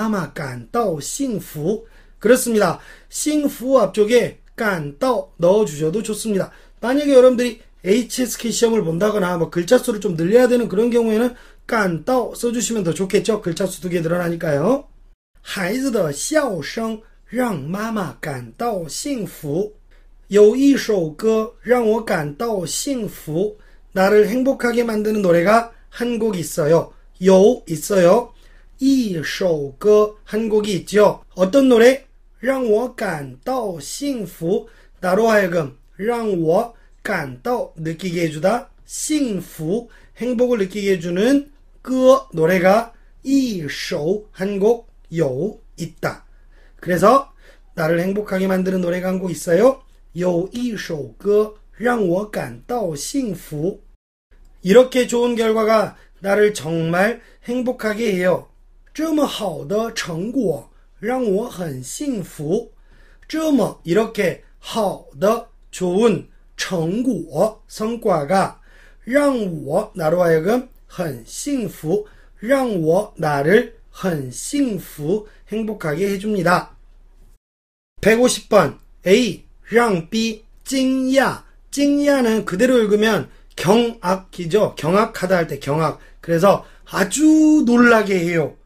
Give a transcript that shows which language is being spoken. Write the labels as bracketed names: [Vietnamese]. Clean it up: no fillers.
[Chinese] 孩子的笑声让妈妈感到幸福. [Korean] 그렇습니다. 幸福 앞쪽에 感到 넣어주셔도 좋습니다. 만약에 여러분들이 HSK 시험을 본다거나 뭐 글자 수를 좀 늘려야 되는 그런 경우에는 感到 써주시면 더 좋겠죠. 글자 수두개 늘어나니까요. [Chinese] 孩子的笑声让妈妈感到幸福. 有一首歌让我感到幸福. [Korean] 나를 행복하게 만드는 노래가 한곡 있어요. 요 있어요. 一首歌 한 곡이 있죠. 어떤 노래? [Chinese] 让我感到幸福. [Korean] 나로 하여금 [Chinese] 让我感到 [Korean] 느끼게 해주다. 幸福 행복을 느끼게 해주는 歌 노래가 一首 한곡요 있다. 그래서 나를 행복하게 만드는 노래가 한곡 있어요. [Chinese] 有一首歌让我感到幸福. [Korean] 이렇게 좋은 결과가 나를 정말 행복하게 해요. [Chinese] 这么好的成果让我很幸福. [Korean] 这么 이렇게 好的 좋은 成果 성과가 让我 나로 하여금 很幸福. 让我 나를 很幸福 행복하게 해줍니다. 150번. [Chinese] A. 让 B. 惊讶. [Korean] 惊讶는 그대로 읽으면 경악이죠. 경악하다 할때 경악. 그래서 아주 놀라게 해요.